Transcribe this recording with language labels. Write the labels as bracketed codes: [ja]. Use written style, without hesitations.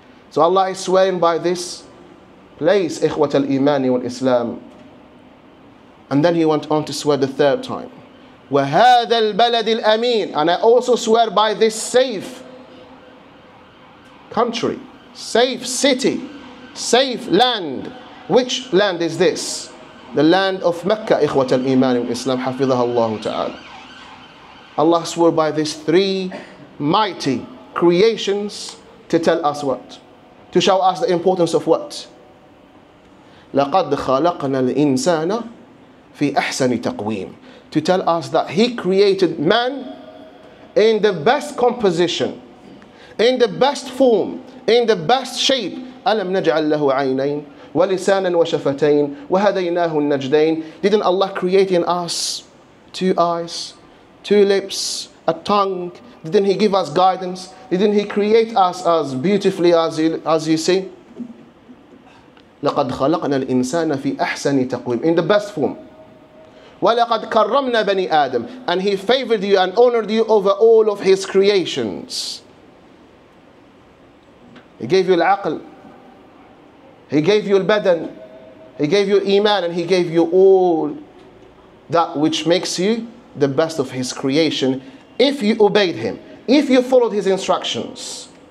[en] So Allah is swearing by this place, [ar] إخوة الإيمان والإسلام. [en] And then he went on to swear the third time. [ar] وَهَذَا الْبَلَدِ الْأَمِينَ. [en] And I also swear by this safe country, safe city, safe land. Which land is this? The land of Mecca, [ar] إخوة الإيمان والإسلام, حفظها الله تعالى. [en] Allah swore by these three mighty creations to tell us what? To show us the importance of what? [ar] لَقَدْ خَلَقْنَا الْإِنسَانَ فِي أَحْسَنِ تَقْوِيمٍ. [en] To tell us that he created man in the best composition, in the best form, in the best shape. [ar] أَلَمْ نَجْعَلْ لَهُ عَيْنَيْنِ وَلِسَانًا وَشَفَتَيْنِ وَهَدَيْنَاهُ النَّجْدَيْنِ. [en] Didn't Allah create in us two eyes, two lips, a tongue? Didn't he give us guidance? Didn't he create us as beautifully as you see? [ar] لقد خلقنا الإنسان في أحسن تقويم, [en] in the best form. [ar] ولقد كرمنا بني آدم, [en] and he favored you and honored you over all of his creations. He gave you العقل, he gave you البدن, he gave you إيمان, and he gave you all that which makes you the best of his creation if you obeyed him, if you followed his instructions.